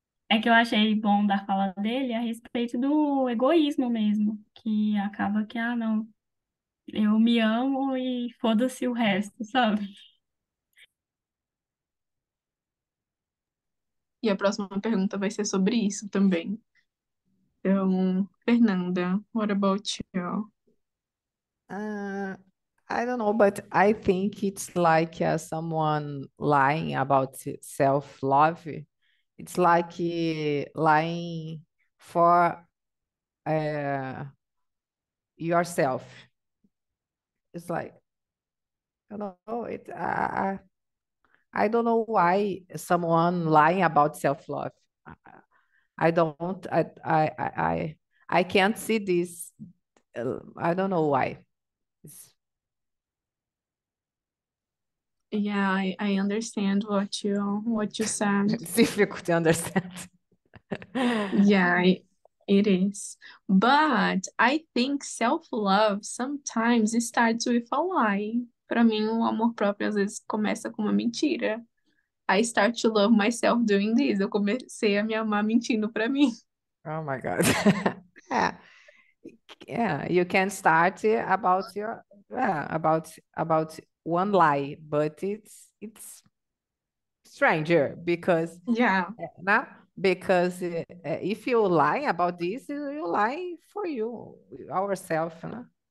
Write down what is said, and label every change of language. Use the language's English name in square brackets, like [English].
[Portuguese] É que eu achei bom da fala dele a respeito do egoísmo mesmo, que acaba que, ah, não, eu me amo e foda-se o resto, sabe? E a próxima pergunta vai ser sobre isso também. [English] Então, Fernanda, what about you? I don't know, but I think it's like someone lying about self-love. It's like lying for yourself. It's like, I don't know, I don't know why someone lying about self-love. I can't see this. I don't know why. Yeah, I understand what you said. It's difficult to understand. Yeah, it is. But I think self-love sometimes starts with a lie. [Portuguese] Para mim, o amor próprio às vezes começa com uma mentira. [English] I start to love myself doing this. [Portuguese] Eu comecei a me amar mentindo para mim. [English] Oh my God. Yeah, you can start about your about one lie, but it's stranger because Yeah. if you lie about this, you lie for you ourself, né?